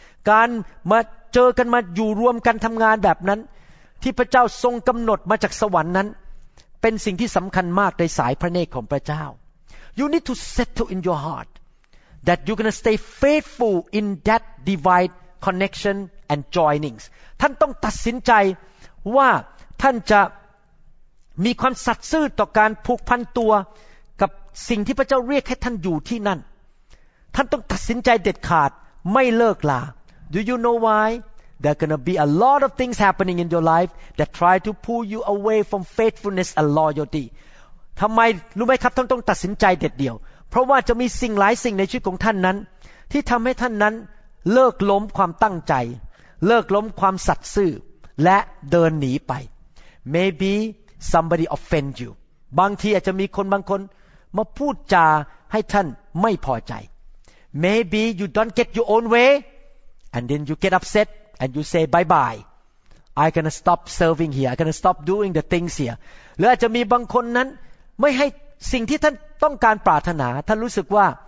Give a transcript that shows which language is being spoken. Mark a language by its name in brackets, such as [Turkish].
[Thai] การมาเจอกันมาอยู่รวมกันทำงานแบบนั้นที่พระเจ้าทรงกำหนดมาจากสวรรค์นั้นเป็นสิ่งที่สำคัญมากในสายพระเนตรของพระเจ้า [English] You need to settle in your heart that you're going to stay faithful in that divine connection and joinings. [Thai] ท่านต้องตัดสินใจว่าท่านจะมีความสัตย์ซื่อต่อการผูกพันตัวสิ่งที่พระเจ้าเรียกให้ท่านอยู่ที่นั่นท่านต้องตัดสินใจเด็ดขาดไม่เลิกลา [English] Do you know why? There are going to be a lot of things happening in your life that try to pull you away from faithfulness and loyalty. [Thai] ทำไมรู้ไหมครับท่านต้องตัดสินใจเด็ดเดี่ยวเพราะว่าจะมีสิ่งหลายสิ่งในชีวิตของท่านนั้นที่ทำให้ท่านนั้นเลิกล้มความตั้งใจเลิกล้มความสัตย์ซื่อและเดินหนีไป [English] Maybe somebody offend you. [Thai] บางทีอาจจะมีคนบางคนมาพูดจาให้ท่านไม่พอใจ [English] Maybe you don't get your own way and then you get upset and you say bye bye I gonna stop serving here I gonna stop doing the things here [Thai] หรืออาจจะมีบางคนนั้นไม่ให้สิ่งที่ท่านต้องการปรารถนาท่านรู้สึกว่า